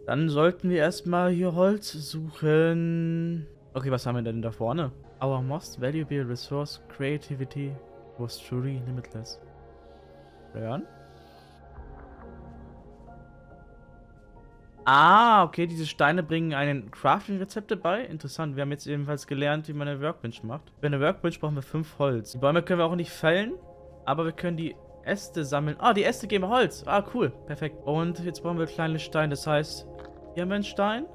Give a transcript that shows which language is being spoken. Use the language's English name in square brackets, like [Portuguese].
[German] Dann sollten wir erstmal hier Holz suchen. Okay, was haben wir denn da vorne? [English] Our most valuable resource, creativity, was truly limitless. Learn? [German] Ah, okay, diese Steine bringen einen Crafting-Rezepte bei. Interessant, wir haben jetzt ebenfalls gelernt, wie man eine Workbench macht. Für eine Workbench brauchen wir 5 Holz. Die Bäume können wir auch nicht fällen, aber wir können die Äste sammeln. Ah, die Äste geben Holz. Ah, cool, perfekt. Und jetzt brauchen wir kleine Steine, das heißt, hier haben wir einen Stein.